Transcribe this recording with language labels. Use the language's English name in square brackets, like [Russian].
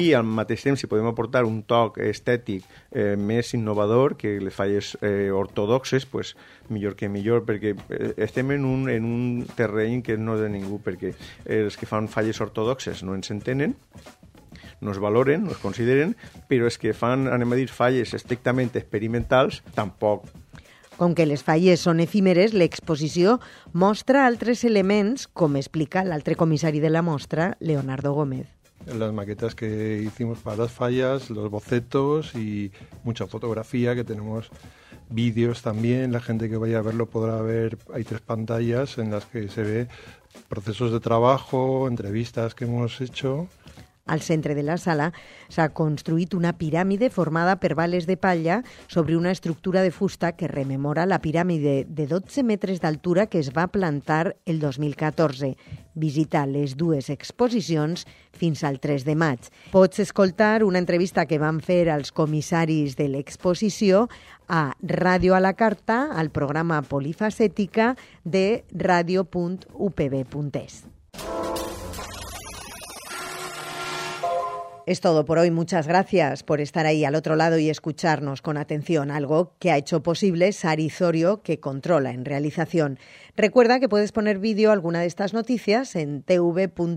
[Catalan] I al mateix temps, si podem aportar un toc estètic més innovador que les falles ortodoxes, pues, millor que millor, perquè estem en un terreny que no és de ningú, perquè els que fan falles ortodoxes no ens entenen, no es valoren, no es consideren, però els que fan, anem a dir, falles estrictament experimentals, tampoc. Com que les falles són efímeres, l'exposició mostra altres elements, com explica l'altre comissari de la mostra, Leonardo Gómez. [Spanish] Las maquetas que hicimos para las fallas, los bocetos y mucha fotografía, que tenemos vídeos también. La gente que vaya a verlo podrá ver, hay tres pantallas en las que se ve procesos de trabajo, entrevistas que hemos hecho. [Catalan] Al centre de la sala s'ha construït una piràmide formada per bales de palla sobre una estructura de fusta que rememora la piràmide de 12 metres d'altura que es va plantar el 2014. Visita les dues exposicions fins al 3 de maig. Pots escoltar una entrevista que van fer als comissaris de l'exposició a Ràdio a la Carta, al programa Polifacètica de radio.upb.es. [Spanish] Es todo por hoy. Muchas gracias por estar ahí al otro lado y escucharnos con atención, algo que ha hecho posible Sari Zorio, que controla en realización. Recuerda que puedes poner vídeo alguna de estas noticias en tv.upv.es.